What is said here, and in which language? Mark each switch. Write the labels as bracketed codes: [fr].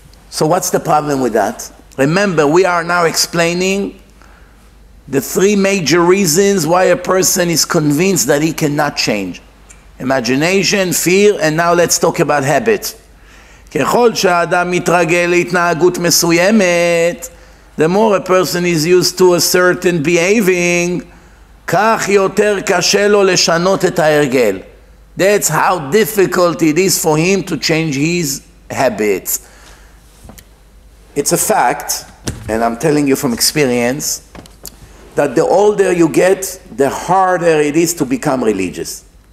[en] So what's the problem with that? Remember, we are now explaining the three major reasons why a person is convinced that he cannot change. Imagination, fear, and now let's talk about habits. [he] ככל שהאדם מתרגל להתנהגות מסוימת, [en] the more a person is used to a certain behaving, [he] כך יותר קשה לו לשנות את ההרגל. [en] That's how difficult it is for him to change his habits. It's a fact, and I'm telling you from experience, that the older you get, the harder it is to become religious.